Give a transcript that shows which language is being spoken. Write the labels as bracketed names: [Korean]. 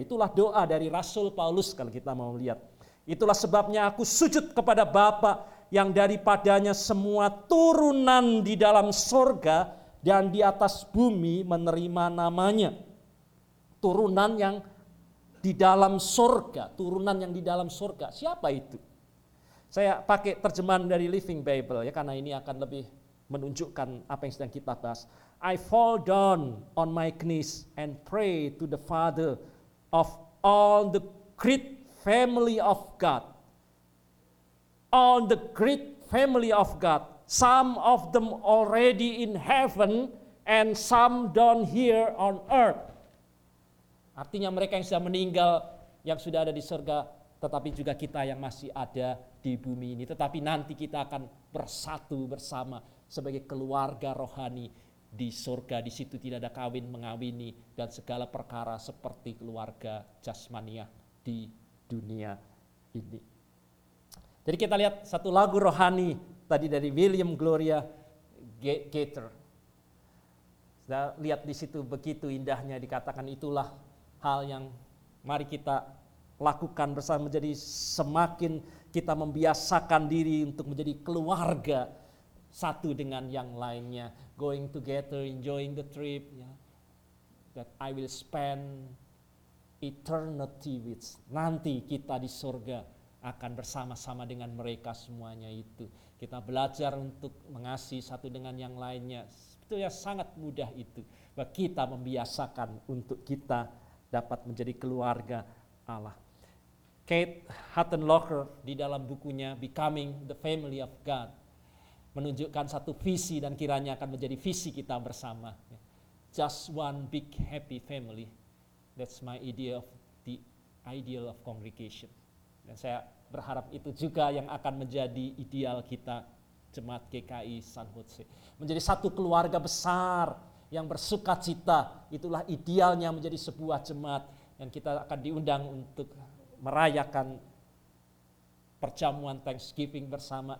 [Indonesian] Itulah doa dari Rasul Paulus kalau kita mau lihat. Itulah sebabnya aku sujud kepada Bapa yang daripadanya semua turunan di dalam surga dan di atas bumi menerima namanya. Turunan yang di dalam surga, turunan yang di dalam surga, siapa itu? Saya pakai terjemahan dari Living Bible ya, karena ini akan lebih menunjukkan apa yang sedang kita bahas. [English] I fall down on my knees and pray to the Father of all the great family of God. All the great family of God, some of them already in heaven and some down here on earth. [Indonesian] Artinya mereka yang sudah meninggal, yang sudah ada di surga, tetapi juga kita yang masih ada di bumi ini. Tetapi nanti kita akan bersatu bersama sebagai keluarga rohani di surga. Di situ tidak ada kawin mengawini dan segala perkara seperti keluarga jasmaniah di dunia ini. Jadi kita lihat satu lagu rohani tadi dari William Gloria Gaither. Sudah lihat di situ begitu indahnya dikatakan, itulah hal yang mari kita lakukan bersama, menjadi semakin kita membiasakan diri untuk menjadi keluarga satu dengan yang lainnya. [English] Going together, enjoying the trip, yeah, that I will spend eternity with. [Indonesian] Nanti kita di surga akan bersama-sama dengan mereka semuanya itu. Kita belajar untuk mengasihi satu dengan yang lainnya. sebetulnya sangat mudah itu. Bahwa kita membiasakan untuk kita dapat menjadi keluarga Allah. Kate Hattenlocher di dalam bukunya Becoming the Family of God menunjukkan satu visi dan kiranya akan menjadi visi kita bersama. [English] Just one big happy family. That's my idea of the ideal of congregation. [Indonesian] Dan saya berharap itu juga yang akan menjadi ideal kita jemaat GKI San Jose. Menjadi satu keluarga besar yang bersuka cita. Itulah idealnya menjadi sebuah jemaat. Dan kita akan diundang untuk merayakan perjamuan Thanksgiving bersama.